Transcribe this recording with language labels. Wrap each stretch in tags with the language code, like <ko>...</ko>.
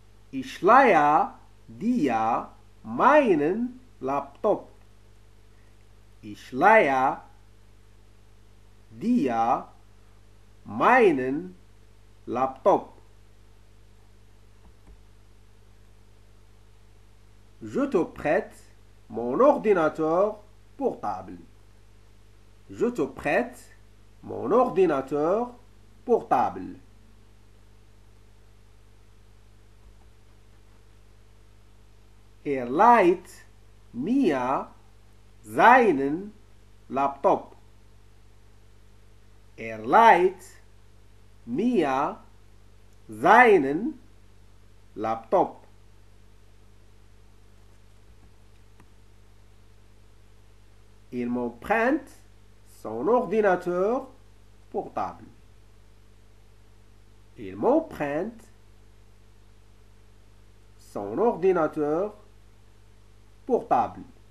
<de>Ich leihe dir meinen Laptop. Ich leihe dir meinen Laptop.</de> <fr>Je te prête mon ordinateur portable. Je te prête mon ordinateur portable.</fr> <de>Leiht mir seinen Laptop. Leiht mir seinen Laptop.</de> <fr>Il m'emprunte son ordinateur portable. Il m'emprunte son ordinateur portable.</fr>